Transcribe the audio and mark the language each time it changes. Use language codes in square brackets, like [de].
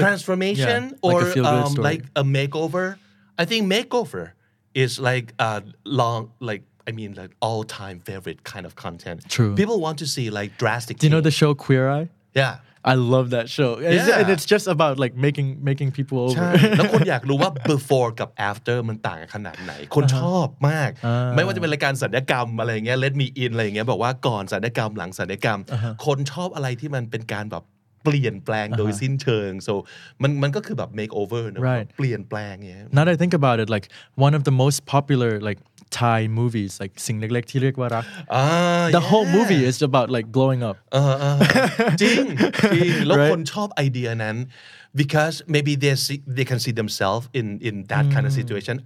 [en] transformation like a makeover. I think makeover is like a all time favorite kind of content. True, people want to see like drastic. Do you know the show Queer Eye? Yeah, I love that show. Yeah, and it's just about like making people over. [th] แล้วคนอยากรู้ว่า before กับ after มันต่างขนาดไหนคนชอบมากไม่ว่าจะเป็นรายการสัญญกรรมอะไรเงี้ย Let me in อะไรเงี้ยบอกว่าก่อนสัญญกรรมหลังสัญญกรรมคนชอบอะไรที่มันเป็นการแบบเปลี่ยนแปลงโดยสิ้นเชิง so มันก็คือแบบ makeover น ะ เปลี่ยนแปลงเงี้ย [en] Now that I think about it like one of the most popular likeThai movies like Sing Lek Lek Thi Luek Wa Rak. Whole movie is about like glowing up. Right? [th] คนชอบไอเดียนั้น [en] because maybe they can see themselves in that kind of situation.